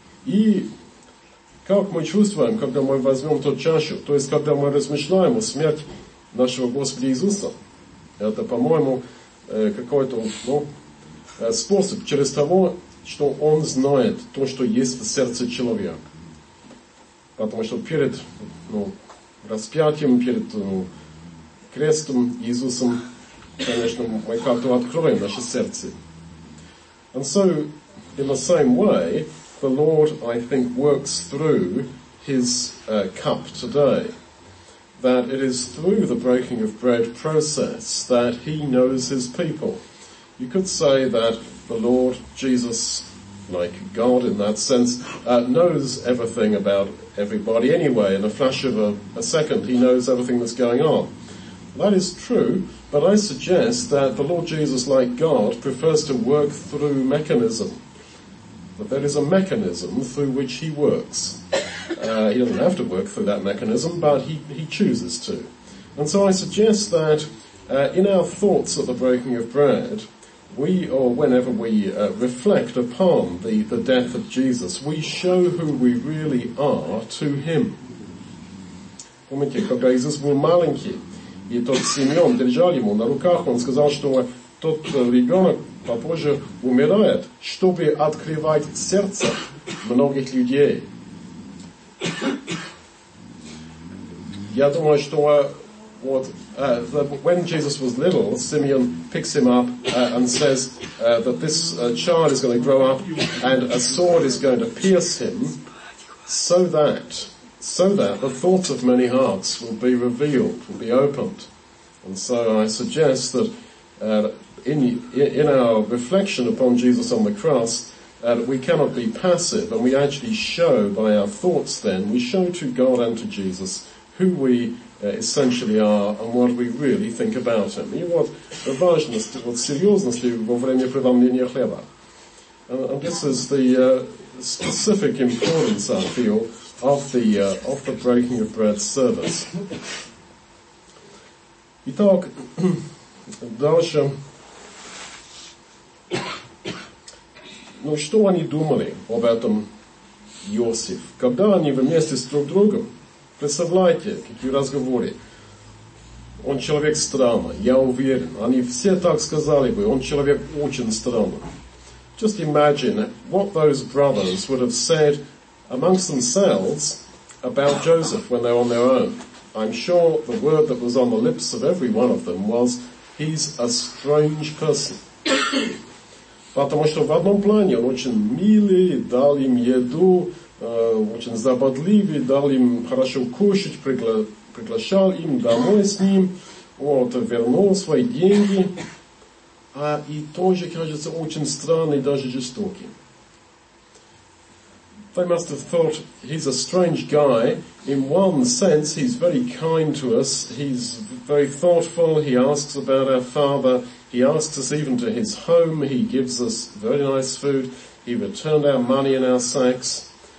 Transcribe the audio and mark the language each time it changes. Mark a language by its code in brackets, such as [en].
[ru] И как мы чувствуем, когда мы возьмем ту чашу, то есть когда мы размышляем о смерти нашего Господа Иисуса, это, по-моему, какой-то способ через того, что он знает то, что есть в сердце человека. Потому что перед распятием, перед крестом Иисусом, конечно, мы как-то откроем наше сердце. [en] And so, in the same way, the Lord, I think, works through his cup today. That it is through the breaking of bread process that he knows his people. You could say that the Lord Jesus, like God in that sense, knows everything about everybody anyway. In a flash of a second, he knows everything that's going on. That is true, but I suggest that the Lord Jesus, like God, prefers to work through mechanism. That there is a mechanism through which he works. He doesn't have to work through that mechanism, but he chooses to. And so I suggest that in our thoughts of the breaking of bread, we, or whenever we reflect upon the death of Jesus, we show who we really are to him. [ru] Помните, когда Иисус был маленький, и тот Симеон держал ему на руках, он сказал, что тот ребенок попозже умирает, чтобы открывать сердце многих людей. Я думаю, что [en] when Jesus was little, Simeon picks him up and says that this child is going to grow up and a sword is going to pierce him so that the thoughts of many hearts will be revealed, will be opened. And so I suggest that in our reflection upon Jesus on the cross, we cannot be passive, and we actually show by our thoughts then, we show to God and to Jesus who we essentially are and what we really think about him. [ru] И вот важность, вот серьезность во время преломления хлеба. [en] And this is the specific importance, I feel, of the breaking of bread service. [ru] Итак, дальше. Ну что они думали об этом Иосиф? Когда они вместе с друг другом, представляете, какие разговоры. Он человек странный, я уверен. Они все так сказали бы, он человек очень странный. [en] Just imagine what those brothers would have said amongst themselves about Joseph when they were on their own. I'm sure the word that was on the lips of every one of them was, he's a strange person. [ru] Потому что в одном плане он очень милый, дал им еду, очень заботливый, дал им хорошо кушать, приглашал им домой с ним. вот, вернул свои деньги, а и тоже кажется очень странный, даже жестокий. [en] They must have thought he's a strange guy. In one sense, he's very kind to us. He's very thoughtful. He asks about our father. He asks us even to his home. He gives us very nice food. He returned our money in our sacks.